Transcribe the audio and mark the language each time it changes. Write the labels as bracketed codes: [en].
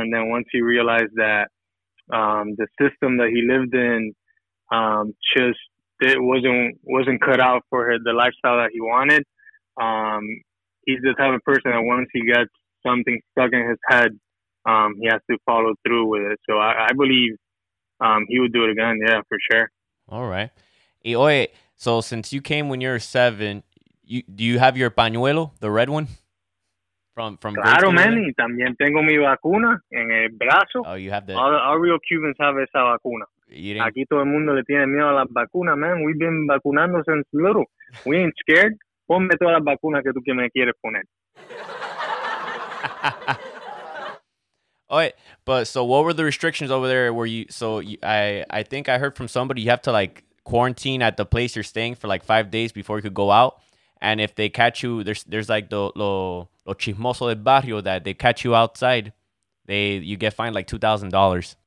[en] And then once he realized that the system that he lived in just it wasn't cut out for the lifestyle that he wanted, he's the type of person that once he gets something stuck in his head, he has to follow through with it. So I believe he would do it again, yeah, for sure. All right. Hey, oye, so since you came when you were 7, do you have your pañuelo, the red one? From [es] claro, Manny. También tengo mi vacuna en el brazo. [en] Oh, you have that. All real Cubans have [es] esa vacuna. Aquí todo el mundo le tiene miedo a las vacunas, man. [en] We've been vacunando since little. We ain't scared. [es] Ponme todas las vacunas que tú que me quieres poner. [en] Oh, right, but so what were the restrictions over there? Were you so you, I think I heard from somebody you have to like quarantine at the place you're staying for like 5 days before you could go out. And if they catch you, there's like the [es] lo chismoso del barrio [en] that they catch you outside, you get fined like $2,000.